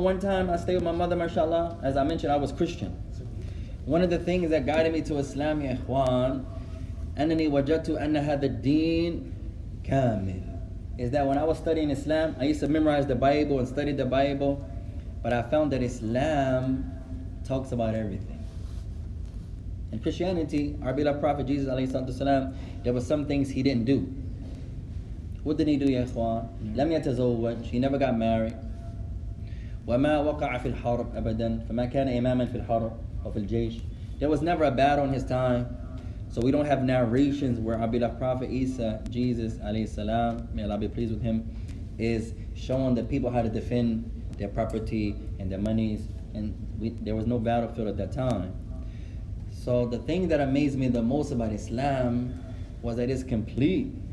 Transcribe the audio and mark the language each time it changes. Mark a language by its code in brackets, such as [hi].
[en] Remember one time I stayed with my mother, mashallah? As I mentioned, I was Christian. One of the things that guided me to Islam, ya ikhwan, [ar] annani wajadtu anna hadha ad-din kamil, [en] is that when I was studying Islam, I used to memorize the Bible and study the Bible, but I found that Islam talks about everything. In Christianity, our beloved Prophet Jesus, alayhi salatu wasalam, there were some things he didn't do. What did he do, ya ikhwan? [ar] Lam yatazawwaj, [en] he never got married. [ar] وَمَا وَقَعَ فِي الْحَرْبِ أَبَدًا فَمَا كَانَ إِمَامًا فِي الْحَرْبِ وَفِي الْجَيْشِ [en] There was never a battle in his time. So we don't have narrations where Abdullah Prophet Isa, Jesus, alayhi salam, may Allah be pleased with him, is showing the people how to defend their property and their monies. And there was no battlefield at that time. So the thing that amazed me the most about Islam was that it's complete.